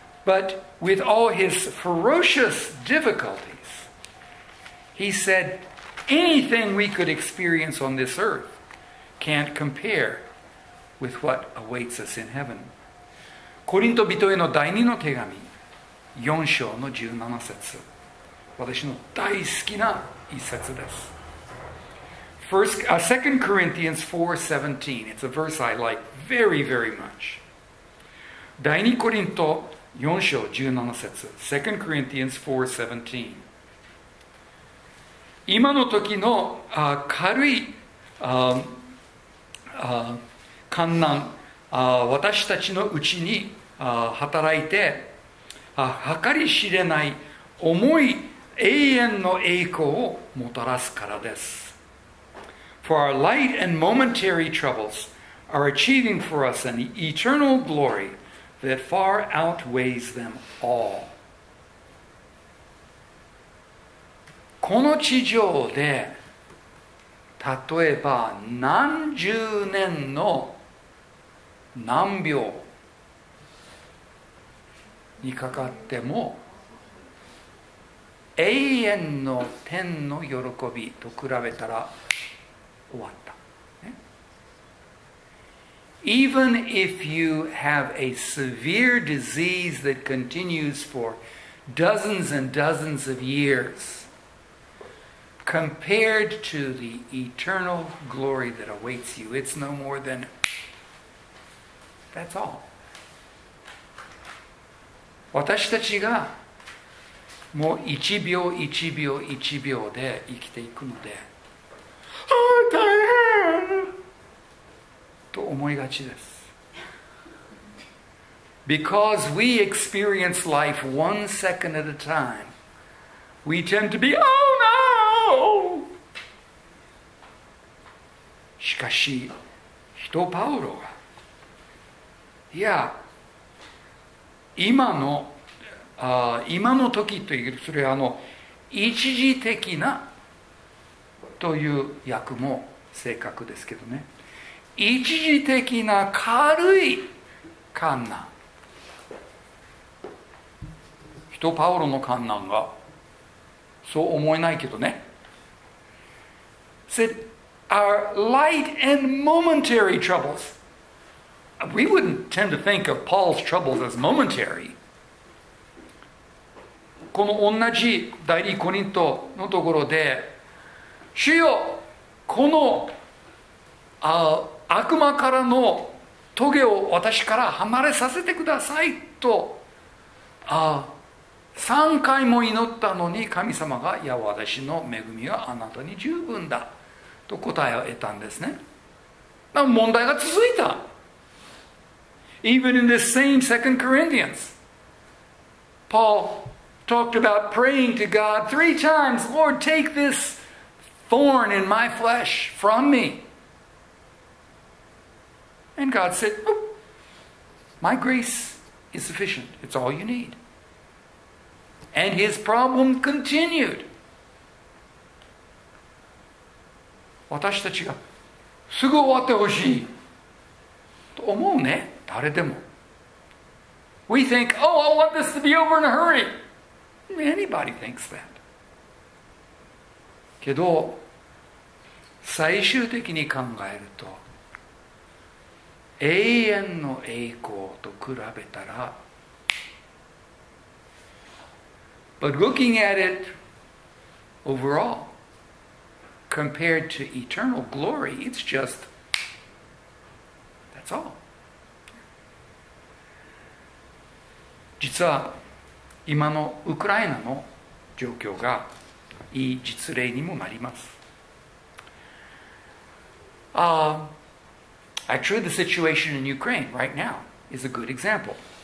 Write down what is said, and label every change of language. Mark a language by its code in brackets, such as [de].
[en] But with all his ferocious difficulties, he said, anything we could experience on this earth can't compare with what awaits us in heaven. [ja] コリント人への第二の手紙、4章の17節。私の大好きな一節です。 [en] 2 Corinthians 4:17. It's a verse I like very, very much. [ja] 第2コリント4章17節 [en] 2 Corinthians 4:17。 [ja] 今の時の軽い観難、私たちのうちに働いて計り知れない重い永遠の栄光をもたらすからです。 [en] For our light and momentary troubles are achieving for us an eternal glory that far outweighs them all。 [ja] この地上で例えば何十年の難病にかかっても永遠の天の喜びと比べたら終わった、ね、 [en] Even if you have a severe disease that continues for dozens and dozens of years compared to the eternal glory that awaits you, it's no more than that's all。 [ja] 私たちがもう1秒1秒1秒で生きていくので、ああ大変と思いがちです。 [en] Because we experience life one second at a time, we tend to be oh no。 [ja] しかし人パウロは、いや今の今の時という、それは一時的なという訳も正確ですけどね、一時的な軽い患難、人パウロの患難がそう思えないけどね。 [en] Said our light and momentary troubles, we wouldn't tend to think of Paul's troubles as momentary。 [ja] この同じ第2コリントのところで、主よこの悪魔からの棘を私から離れさせてくださいと3回も祈ったのに、神様が、いや私の恵みはあなたに十分だと答えを得たんですね。だから問題が続いた。 [en] Even in the same 2 Corinthians PaulTalked about praying to God three times, Lord, take this thorn in my flesh from me. And God said, My grace is sufficient. It's all you need. And his problem continued. [ja] 私たちがすぐ終わってほしいと思うね、誰でも。 [en] We think, oh, I want this to be over in a hurry. Anybody thinks that. [ja] けど最終的に考えると永遠の栄光と比べたら、 [en] But looking at it overall compared to eternal glory, it's just that's all。 [ja] 実は今のウクライナの状況がいい実例にもなります。 [en] Actually, the situation in Ukraine right now is a good example.